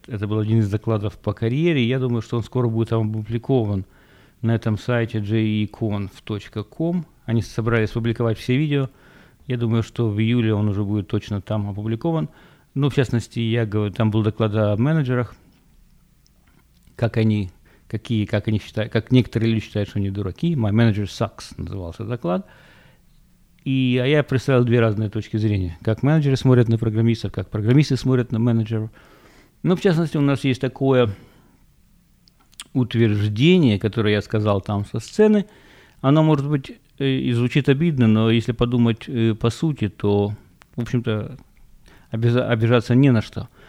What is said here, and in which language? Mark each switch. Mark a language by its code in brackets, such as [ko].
[ru] Это был один из докладов по карьере. Я думаю, что он скоро будет там опубликован на этом сайте jeconf.com. Они собрались публиковать все видео. Я думаю, что в июле он уже будет точно там опубликован. Ну, в частности, я говорю, там был доклад о менеджерах, как некоторые люди считают, что они дураки. [en] «My manager sucks» [ru] назывался доклад. А я представил две разные точки зрения. Как менеджеры смотрят на программистов, как программисты смотрят на менеджеров. Ну, в частности, у нас есть такое утверждение, которое я сказал там со сцены. Оно, может быть, и звучит обидно, но если подумать по сути, то, в общем-то, обижаться не на что.